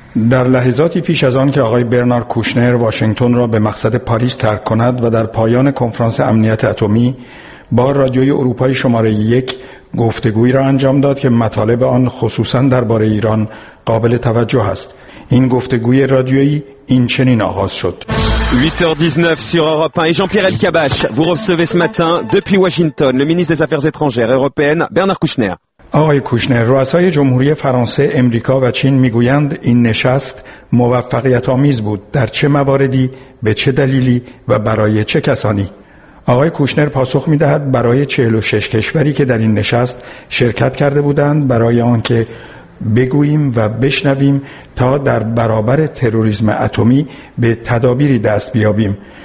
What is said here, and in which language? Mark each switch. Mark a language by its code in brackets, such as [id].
[fa] در لحظاتی پیش از آن که آقای برنارد کوشنر واشنگتن را به مقصد پاریس ترک کند و در پایان کنفرانس امنیت اتمی با رادیوی اروپای شماره 1 گفتگویی را انجام داد که مطالب آن خصوصاً درباره ایران قابل توجه است. این گفتگوی رادیویی این چنین آغاز شد: [fr] 8h19 sur Europe 1 et Jean-Pierre Elkabbach, vous recevez ce matin depuis Washington le ministre des Affaires étrangères européennes Bernard Kouchner. [fa] آقای کوشنر، رؤسای جمهوری فرانسه، امریکا و چین میگویند این نشست موفقیت آمیز بود. در چه مواردی، به چه دلیلی و برای چه کسانی؟ آقای کوشنر پاسخ می‌دهد: برای 46 کشوری که در این نشست شرکت کرده بودند، برای آنکه بگوییم و بشنویم تا در برابر تروریسم اتمی به تدابیری دست بیابیم.